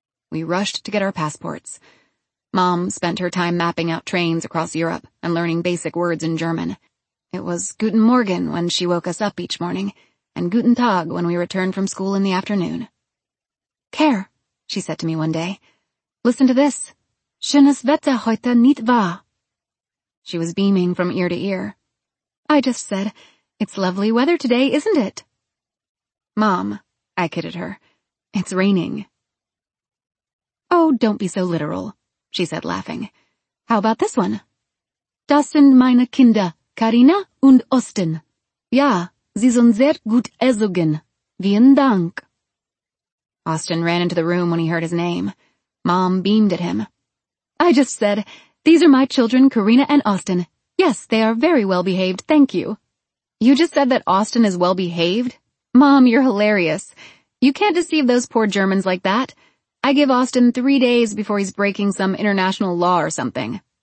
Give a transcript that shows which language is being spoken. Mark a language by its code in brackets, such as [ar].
[en] We rushed to get our passports. Mom spent her time mapping out trains across Europe and learning basic words in German. It was [de] Guten Morgen [en] when she woke us up each morning, and [de] Guten Tag [en] when we returned from school in the afternoon. "Care," she said to me one day, "listen to this. [de] Schönes Wetter heute, nicht wahr?" [en] She was beaming from ear to ear. I just said, "It's lovely weather today, isn't it?" "Mom," I kidded her, "it's raining." "Oh, don't be so literal," she said, laughing. "How about this one? [de] Das sind meine Kinder, Karina und Austin. Ja, sie sind sehr gut erzogen. Vielen Dank." [en] Austin ran into the room when he heard his name. Mom beamed at him. I just said, "These are my children, Karina and Austin. Yes, they are very well-behaved, thank you." "You just said that Austin is well-behaved? Mom, you're hilarious. You can't deceive those poor Germans like that. I give Austin 3 days before he's breaking some international law or something."